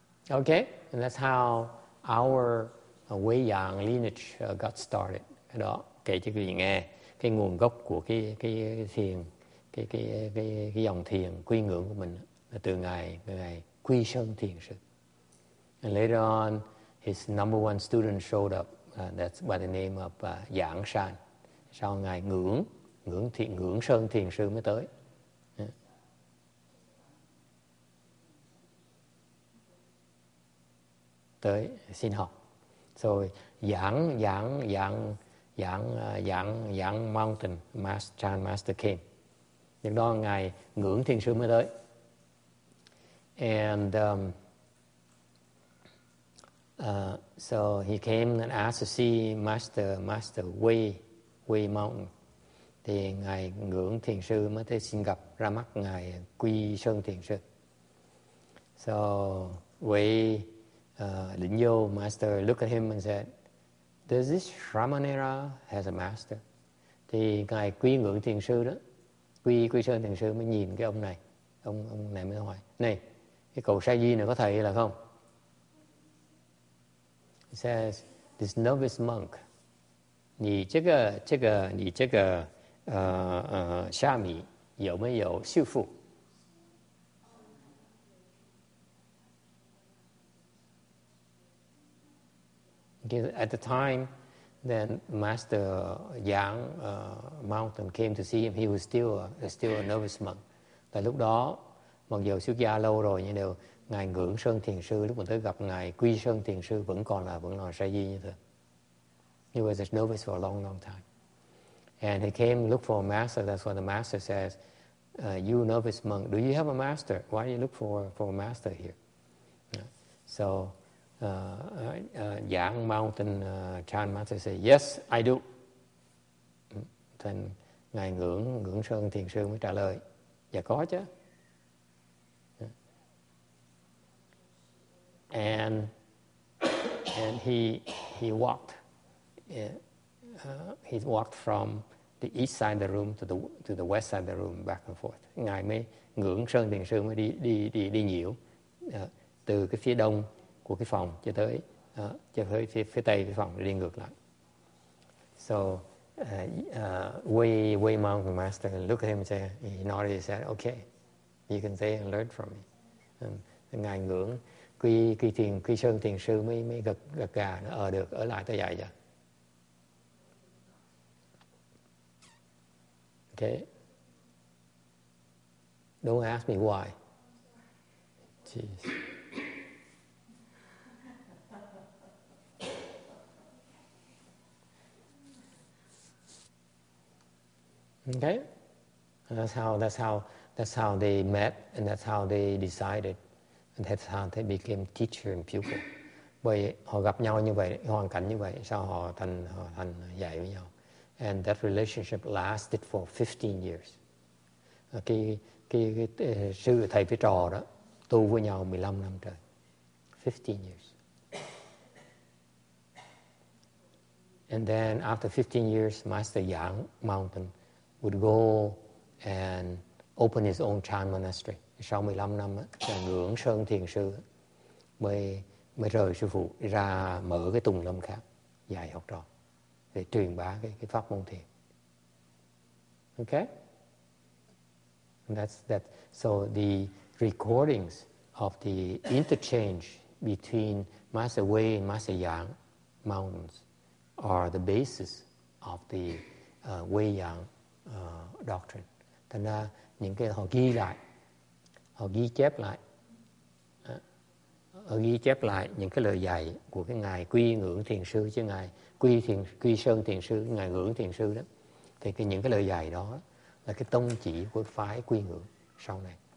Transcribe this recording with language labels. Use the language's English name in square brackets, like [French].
[English] Okay, and that's how our Wei Yang lineage got started. [Vietnamese] Cái đó kể cho quý vị nghe cái nguồn gốc của cái dòng thiền quy ngưỡng của mình là từ ngài Quy Sơn thiền sư. [English] And later on, his number one student showed up. That's by the name of Giảng San. [Vietnamese] Sau ngài Ngưỡng Sơn thiền sư mới tới. Yeah. Tới xin học. [English] So Giảng Mountain Master Chan Master came. [Vietnamese] Nhưng đó ngài Ngưỡng thiền sư mới tới. [English] And so he came and asked to see Master Wei Mountain. [Vietnamese] Thì ngài Ngưỡng thiền sư mới tới xin gặp ra mắt ngài Quy Sơn thiền sư. [English] So Wei Linh Vô Master looked at him and said, "Does this Ramanera has a master?" [Vietnamese] Thì ngài Quy Ngưỡng thiền sư đó, Quy Sơn thiền sư mới nhìn cái ông này, ông này mới hỏi, "Này, cái cậu Sa Di này có thầy là không?" [English] He says, "This novice monk, [Chinese] 你这个 Sa Mi 有没有 Sư Phụ?" [English] At the time, then Master Yang Mountain came to see him. He was still a novice monk. [Vietnamese] Tại lúc đó, mặc dù xuất gia lâu rồi nhưng đều ngài Ngưỡng Sơn thiền sư lúc mà tới gặp ngài Quy Sơn thiền sư vẫn còn là sa di như thế. [English] He was a novice for a long time. And he came look for a master. That's what the master says. you novice monk, do you have a master? Why do you look for a master here? So Yang Mountain Chan Master say, yes, I do. [Vietnamese] Then Ngài Ngưỡng Sơn Thiền Sư mới trả lời, dạ có chứ. [English] And he walked from the east side of the room to the west side of the room back and forth. [Vietnamese] Ngài mới Ngưỡng Sơn Thiền Sư mới đi nhiễu từ cái phía đông của cái phòng cho tới phía tây cái phòng đi ngược lại. [English] So Wei Mountain Master looked at him and said, he nodded and said, okay, you can say and learn from me. [Vietnamese] And Ngài Ngưỡng Quy Sơn Thiền Sư mới gật gà, được, ở lại tới dạy vậy. [English] Okay. Don't ask me why. Jeez. Okay. That's how they met, and that's how they decided. And that's how they became teacher and pupil. [Vietnamese] Bởi họ gặp nhau như vậy, hoàn cảnh như vậy, sao họ thành dạy với nhau. [English] And that relationship lasted for 15 years. [Vietnamese] Cái sư thầy với trò đó, tu với nhau 15 năm trời. [English] 15 years. And then after 15 years, Master Yang Mountain would go and open his own Chan monastery. [Vietnamese] Sau 15 năm á, Ngưỡng Sơn Thiền Sư mới rời sư phụ ra mở cái tùng lâm khác dạy học trò để truyền bá cái pháp môn thiền. [English] Okay? That's that. So the recordings of the interchange between Master Wei and Master Yang Mountains are the basis of the Wei Yang doctrine. [Vietnamese] Thành ra những cái họ ghi lại, họ ghi chép lại những cái lời dạy của cái ngài Quy Ngưỡng Thiền Sư, chứ ngài Quy Sơn Thiền Sư, ngài Ngưỡng Thiền Sư đó, thì cái những cái lời dạy đó là cái tông chỉ của phái Quy Ngưỡng sau này.